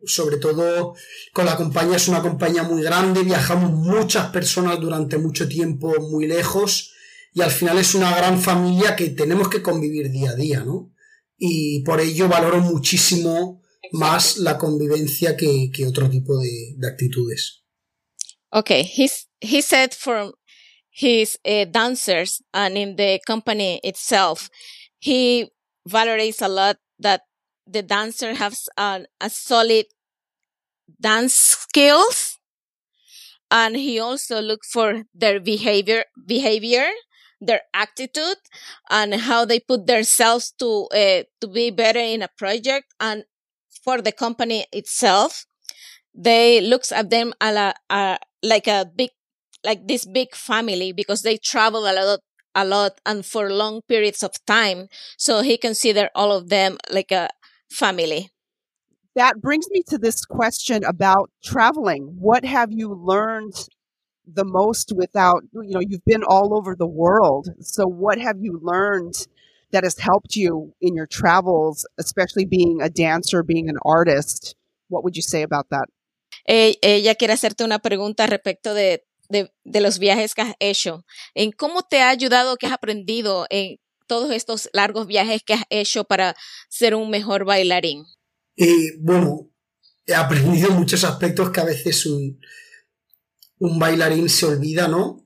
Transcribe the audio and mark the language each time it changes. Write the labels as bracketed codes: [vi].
[es] Sobre todo con la compañía, es una compañía muy grande, viajamos muchas personas durante mucho tiempo muy lejos y al final es una gran familia que tenemos que convivir día a día, ¿no? Y por ello valoro muchísimo más la convivencia que otro tipo de actitudes. [en] Okay, he said from his dancers and in the company itself, he valorates a lot that the dancer has a solid dance skills, and he also looks for their behavior, their attitude, and how they put themselves to be better in a project and for the company itself. They looks at them like this big family, because they travel a lot and for long periods of time, so he considers all of them like a family. That brings me to this question about traveling. What have you learned the most without, you know, you've been all over the world, so what have you learned that has helped you in your travels, especially being a dancer, being an artist? What would you say about that? [es] Ella quiere hacerte una pregunta respecto de los viajes que has hecho. ¿En cómo te ha ayudado, qué has aprendido en todos estos largos viajes que has hecho para ser un mejor bailarín? Bueno, he aprendido muchos aspectos que a veces un bailarín se olvida, ¿no?